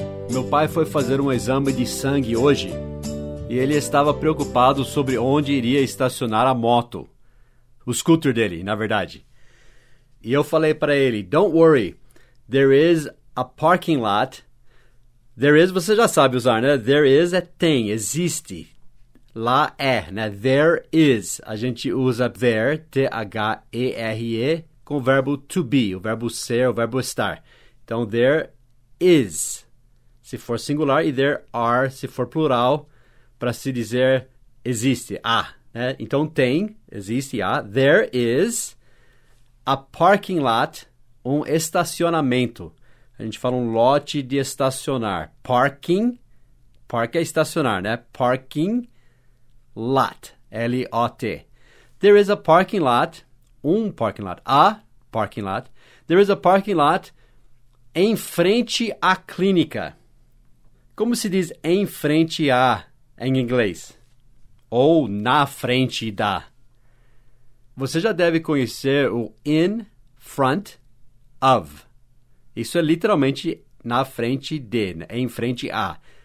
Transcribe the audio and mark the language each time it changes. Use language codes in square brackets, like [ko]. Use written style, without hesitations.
[pt] Meu pai foi fazer um exame de sangue hoje e ele estava preocupado sobre onde iria estacionar a moto. O scooter dele, na verdade. E eu falei para ele, [en] don't worry, there is a parking lot. There is, [pt] você já sabe usar, né? There is é tem, existe. Lá é, né? [en] There is. [pt] A gente usa [en] there, [pt] T-H-E-R-E, com o verbo [en] to be, [pt] o verbo ser, o verbo estar. Então, [en] there is, [pt] se for singular, e [en] there are, [pt] se for plural, para se dizer existe, há. Né? Então, tem, existe, há. [en] There is a parking lot, [pt] um estacionamento. A gente fala um lote de estacionar. [en] Parking, park [pt] é estacionar, né? [en] Parking lot, L-O-T. There is a parking lot, a parking lot. There is a parking lot [pt] em frente à clínica. Como se diz em frente à em inglês? Ou na frente da? Você já deve conhecer o [en] in front of. [pt] Isso é literalmente na frente de, em frente a.